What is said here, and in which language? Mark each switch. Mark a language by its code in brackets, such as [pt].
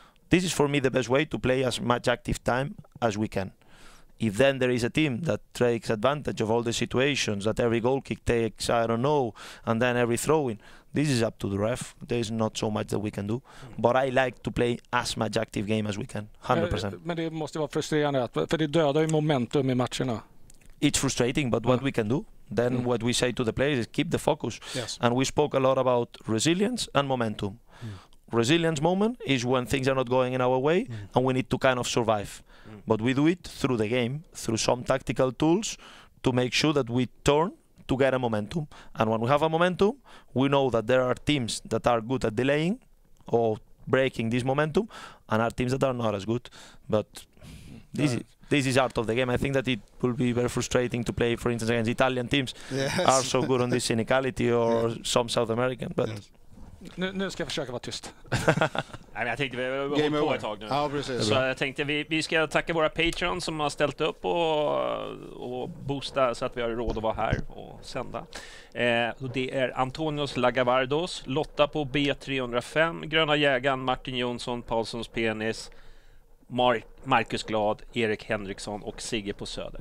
[en] This is, for me, the best way to play as much active time as we can. If then there is a team that takes advantage of all the situations, that every goal kick takes, I don't know, and then every throw-in, this is up to the ref. There is not so much that we can do. But I like to play as much active game as we can, 100%. [sv] Men det måste vara frustrerande, för det dödar ju momentum i matcherna. [en] It's frustrating, but what we can do, then what we say to the players is keep the focus. Yes. And we spoke a lot about resilience and momentum. Mm. Resilience moment is when things are not going in our way and we need to kind of survive. But we do it through the game, through some tactical tools to make sure that we turn to get a momentum. And when we have a momentum, we know that there are teams that are good at delaying or breaking this momentum and are teams that are not as good. But this is art of the game. I think that it will be very frustrating to play, for instance, against Italian teams are so good on this cynicality or some South American. But yes. [sv] Nu ska jag försöka vara tyst. Nej, jag tänkte vi har hållit på ett tag nu. Ja, precis. Så jag tänkte vi ska tacka våra patrons som har ställt upp och boosta så att vi har råd att vara här och sända. Och det är Antonios Lagavardos, Lotta på B305, Gröna Jägaren, Martin Jonsson, Paulsons Penis, Marcus Glad, Erik Henriksson och Sigge på Söder.